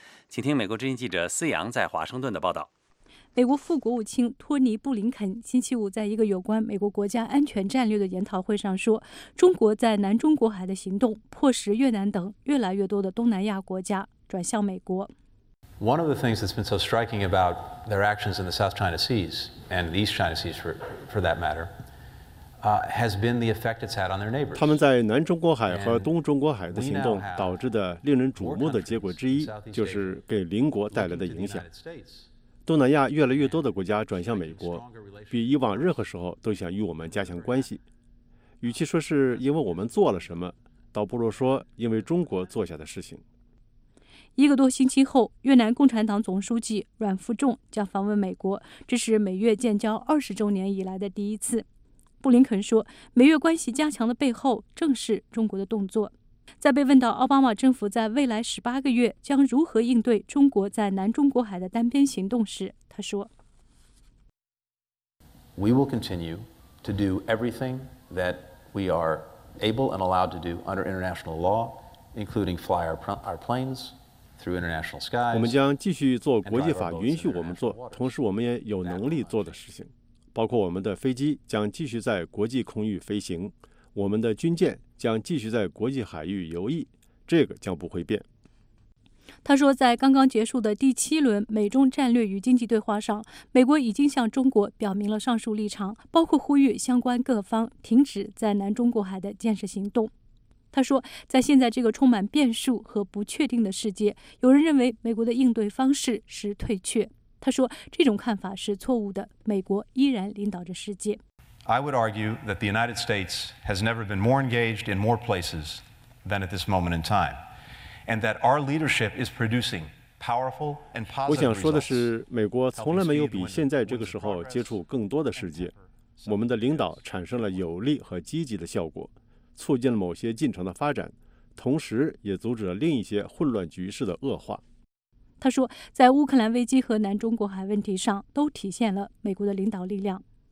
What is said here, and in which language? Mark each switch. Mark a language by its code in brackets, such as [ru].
[zh] 请听美国之音记者思阳在华盛顿的报道。美国副国务卿托尼·布林肯星期五在一个有关美国国家安全战略的研讨会上说，中国在南中国海的行动迫使越南等越来越多的东南亚国家转向美国。 [en] One of the things that's been so striking about their actions in the South China Seas and the East China Seas for that matter, has been the effect it's had on their neighbors. [zh] 他们在南中国海和东中国海的行动导致的令人瞩目的结果之一，就是给邻国带来的影响。东南亚越来越多的国家转向美国，比以往任何时候都想与我们加强关系。与其说是因为我们做了什么，倒不如说因为中国做下的事情。一个多星期后，越南共产党总书记阮富仲将访问美国，这是美越建交20周年以来的第一次。布林肯说，美越关系加强的背后正是中国的动作。在被问到奥巴马政府在未来18个月将如何应对中国在南中国海的单边行动时，他说 [en] ：“We will continue to do everything that we are able and allowed to do under international law, including fly our planes through international skies。 [zh] 我们将继续做国际法允许我们做，同时我们也有能力做的事情，包括我们的飞机将继续在国际空域飞行，我们的军舰。” 将继续在国际海域游弋，这个将不会变。他说，在刚刚结束的第七轮美中战略与经济对话上，美国已经向中国表明了上述立场，包括呼吁相关各方停止在南中国海的建设行动。他说，在现在这个充满变数和不确定的世界，有人认为美国的应对方式是退却。他说，这种看法是错误的，美国依然领导着世界。 [en] I would argue that the United States has never been more engaged in more places than at this moment in time. and that our leadership is producing powerful and positive results. [zh] 我想说的是，美国从来没有比现在这个时候接触更多的世界。我们的领导产生了有力和积极的效果，促进了某些进程的发展，同时也阻止了另一些混乱局势的恶化。他说，在乌克兰危机和南中国海问题上都体现了美国的领导力量。